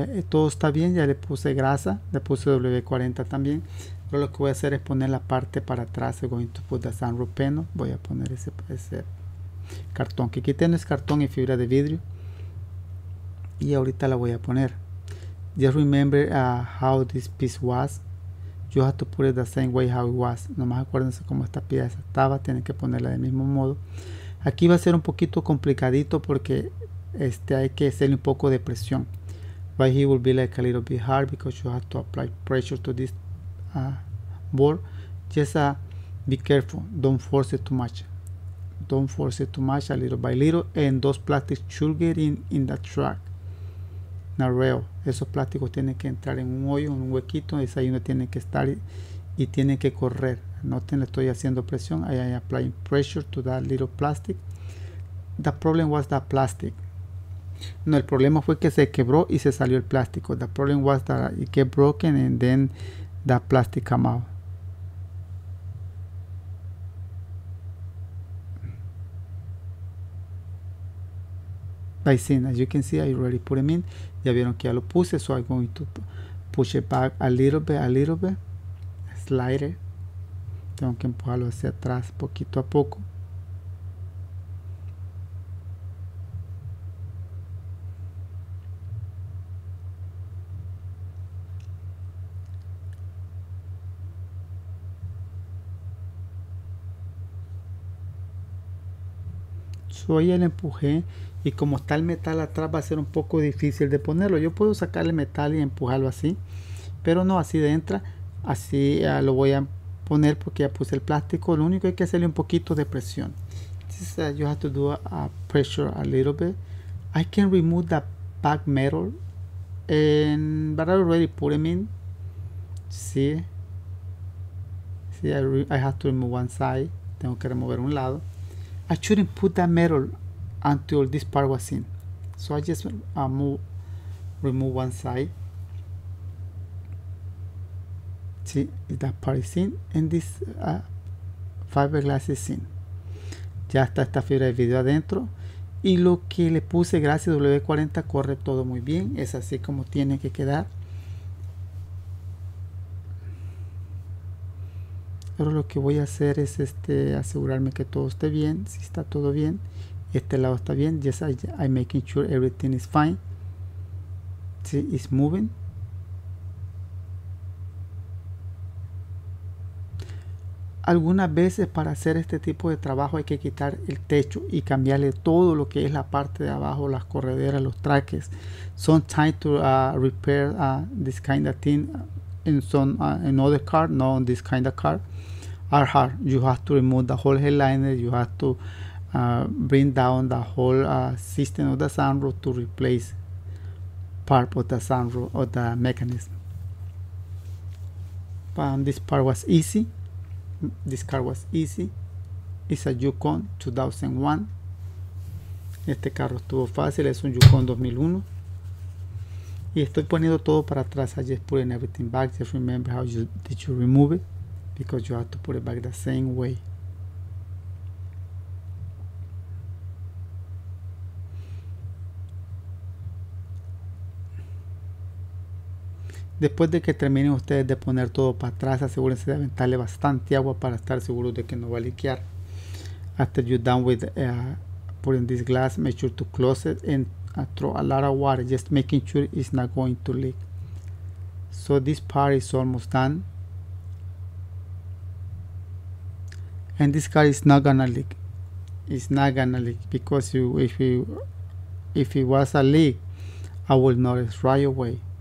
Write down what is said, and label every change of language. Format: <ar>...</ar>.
<es>Todo está bien, ya le puse grasa, le puse W40 también, pero lo que voy a hacer es poner la parte para atrás.</es> <en>I'm going to put the sunroof panel.</en> <es>Voy a poner ese cartón que quité, no es cartón, es fibra de vidrio, y ahorita la voy a poner.</es> <en>Just remember how this piece was, you have to put it the same way how it was.</en> <es>Nomás acuérdense cómo esta pieza estaba, tienen que ponerla del mismo modo. Aquí va a ser un poquito complicadito porque hay que hacerle un poco de presión.</es> <en>Right here will be like a little bit hard because you have to apply pressure to this board. Just be careful, don't force it too much. Don't force it too much, a little by little. And those plastics should get in the track. Not real.</en> <es>Esos plásticos tienen que entrar en un hoyo, en un huequito. Es ahí donde tienen que estar y tienen que correr. Noten, estoy haciendo presión.</es> <en>I am applying pressure to that little plastic. The problem was that plastic.</en> <es>No, el problema fue que se quebró y se salió el plástico.</es> <en>The problem was that it get broken and then that plastic come out. By seeing, as you can see, I already put them in.</en> <es>Ya vieron que ya lo puse,</es> <en>so I'm going to push it back a little bit. Slide it.</en> <es>Tengo que empujarlo hacia atrás poquito a poco. Hoy el empujé y como está el metal atrás va a ser un poco difícil de ponerlo. Yo puedo sacar el metal y empujarlo así, pero no, así de entra. Así lo voy a poner porque ya puse el plástico. Lo único hay que hacerle un poquito de presión.</es> <en>You have to do a pressure a little bit. I can remove the back metal, but I already put them in. See, I have to remove one side.</en> <es>Tengo que remover un lado.</es> <en>I shouldn't put that metal until this part was in. So I just remove one side. See, that part is in, and this fiberglass is in.</en> <es>Ya está esta fibra de vidrio adentro. Y lo que le puse, gracias W40, corre todo muy bien. Es así como tiene que quedar. Pero lo que voy a hacer es asegurarme que todo esté bien, si está todo bien. Este lado está bien.</es> <en>Yes, I'm making sure everything is fine. See, it's moving.</en> <es>Algunas veces para hacer este tipo de trabajo hay que quitar el techo y cambiarle todo lo que es la parte de abajo, las correderas, los traques.</es> <en>Sometimes to repair this kind of thing in another car, not on this kind of car. are hard. You have to remove the whole headliner. You have to bring down the whole system of the sunroof to replace part of the sunroof or the mechanism. But this part was easy. This car was easy. It's a Yukon 2001.</en> <es>Este carro estuvo fácil. Es un Yukon 2001. Y estoy poniendo todo para atrás.</es> <en>I just putting everything back. Just remember how you did you remove it. Because you have to put it back the same way.</en> <es>Después de que terminen ustedes de poner todo para atrás, asegúrense de aventarle bastante agua para estar seguros de que no va a liquear.</es> <en>After you're done with putting this glass, make sure to close it and throw a lot of water, just making sure it's not going to leak. So this part is almost done. And this car is not gonna leak. It's not gonna leak because if it was a leak, I will notice right away.</en>